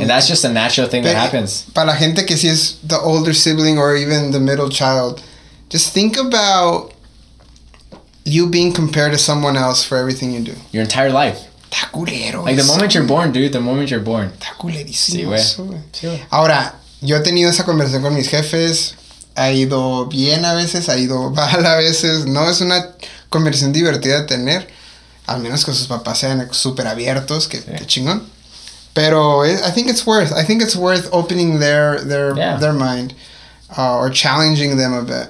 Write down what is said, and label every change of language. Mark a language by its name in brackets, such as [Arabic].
[English] and that's just a natural thing that happens. [Spanish] Para la gente que sí es [English] the older sibling or even the middle child, just think about you being compared to someone else for everything you do. Your entire life. [Spanish] Está culero. [English] Like, the moment you're born, dude. The moment you're born. [Spanish] Está culerísimo. Sí, güey. Sí, ahora, yo he tenido esa conversación con mis jefes. Ha ido bien a veces, ha ido mal a veces. No es una conversación divertida de tener. Al menos que sus papás sean súper abiertos, que, sí, que chingón. Pero [English] I think it's worth opening their mind, or challenging them a bit.